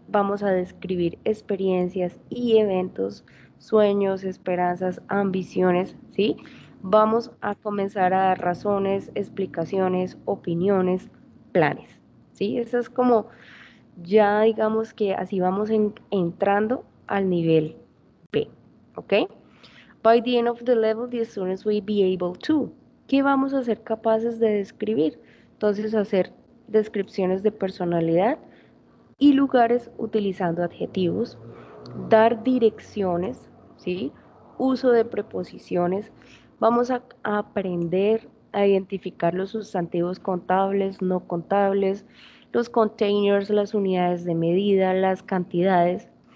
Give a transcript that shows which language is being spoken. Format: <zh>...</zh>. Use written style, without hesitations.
<es>Vamos a describir experiencias y eventos, sueños, esperanzas, ambiciones, ¿sí? Vamos a comenzar a dar razones, explicaciones, opiniones, planes, ¿sí? Eso es como ya digamos que así vamos entrando al nivel B, ¿ok?</es> <en>By the end of the level, the students will be able to.</en> <es>¿Qué vamos a ser capaces de describir? Entonces, hacer descripciones de personalidad y lugares utilizando adjetivos, dar direcciones, ¿sí? Uso de preposiciones. Vamos a aprender a identificar los sustantivos contables, no contables, los containers, las unidades de medida, las cantidades.</es>